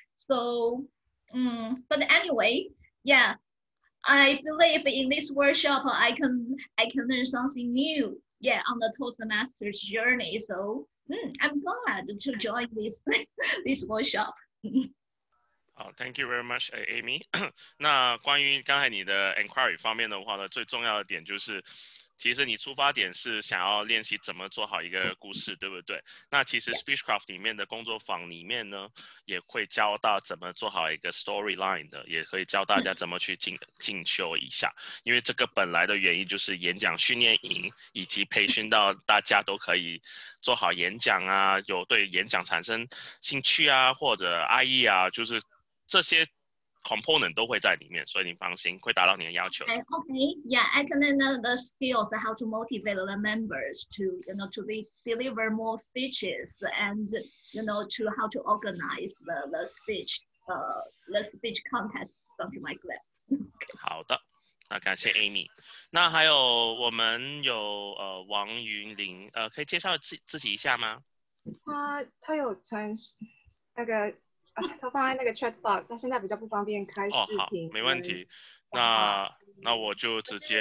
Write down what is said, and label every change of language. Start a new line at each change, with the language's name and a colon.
English: So, but anyway, yeah, I believe in this workshop, I can learn something new. Yeah, on the Toastmasters journey. So, I'm glad to join this this workshop. Thank you very much, Amy.
Chinese: 那关于刚才你的 inquiry 方面的话呢，最重要的点就是，其实你出发点是想要练习怎么做好一个故事，对不对？那其实 Speechcraft 里面的工作坊里面呢，也会教到怎么做好一个 storyline 的，也可以教大家怎么去进修一下。因为这个本来的原因就是演讲训练营以及培训到大家都可以做好演讲啊，有对演讲产生兴趣啊，或者 IE 啊，就是这些component 都会在里面，所以你放心，会达到你的要求。
English: Okay, yeah, I can learn the skills how to motivate the members to, you know, to deliver more speeches and, you know, to how to organize the speech contest, something like that.
Chinese: 好的，那感谢 Amy。那还有我们有王云林，可以介绍自己一下吗？他有穿那个。他放在那个 chat box， 他现在比较不方便开视频。哦，好，没问题。那我就直接。